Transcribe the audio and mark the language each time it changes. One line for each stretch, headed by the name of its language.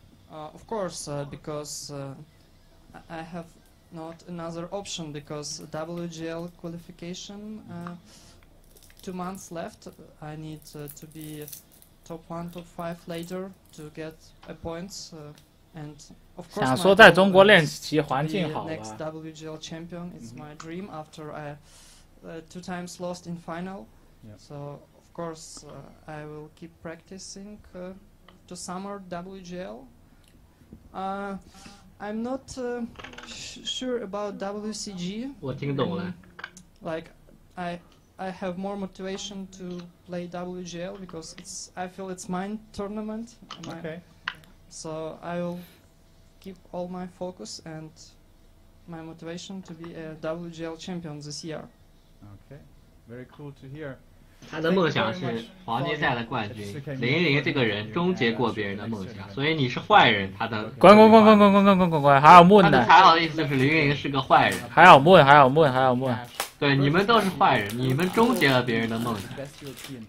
English: Of course, because I have not another option, because WGL qualification, 2 months left, I need to be top one, top five later to get a point. And of course,
Chinese: 想说在中国练习环境好吧。
English: The next WGL champion is my dream after I two times lost in final. So of course I will keep practicing to summer WGL. I'm not sure about WCG.
Chinese: 我听懂了。
English: Like I have more motivation to play WGL because I feel it's my tournament. Okay. So I will. Keep all my focus and my motivation to be a WGL champion this year. Okay, very cool to hear.
Chinese: 他的梦想是黄金赛的冠军。林林这个人终结过别人的梦想，所以你是坏人。他的滚，还有梦的。他的才好的意思就是林林是个坏人。还有梦。对，你们都是坏人，你们终结了别人的梦想。